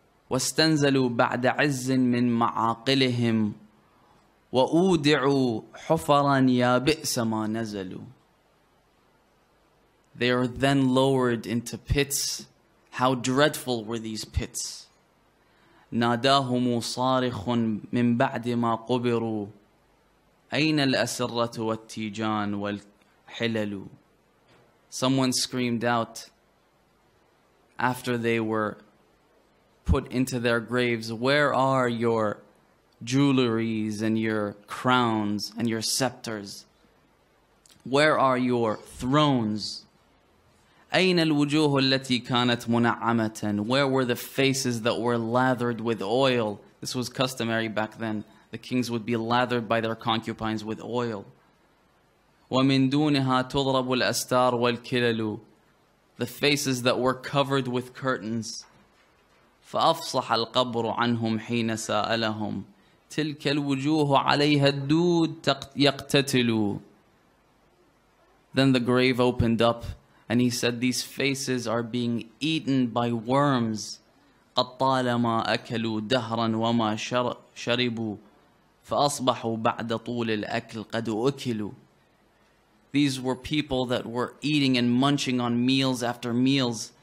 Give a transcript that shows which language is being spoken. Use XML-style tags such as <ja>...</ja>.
<ar>واستنزلوا بعد عز من معاقلهم وأودعوا حفرا يا بئس ما نزلوا.</ar> <en>They are then lowered into pits. How dreadful were these pits.</en> <ar>ناداهم صارخ من بعد ما قبروا أين الأسرة والتيجان والحلل.</ar> <en>Someone screamed out after they were put into their graves, "Where are your jewelries and your crowns and your scepters? Where are your thrones?</en> <ar>أين الوجوه التي كانت منعمة؟</ar> <en>Where were the faces that were lathered with oil?" This was customary back then. The kings would be lathered by their concubines with oil.</en> <ar>ومن دونها تضرب الأستار والكلل.</ar> <en>The faces that were covered with curtains.</en> <ar>فأفصح القبر عنهم حين سألهم. تلك الوجوه عليها الدود يقتتل.</ar> <en>Then the grave opened up. And he said, "These faces are being eaten by worms."</en> <ar>قَطَّالَمَا أَكَلُوا دَهْرًا وَمَا شَرِبُوا فَأَصْبَحُوا بَعْدَ طُولِ الْأَكْلِ قَدْ أُكِلُوا.</ar> <en>These were people that were eating and munching on meals after meals.</en>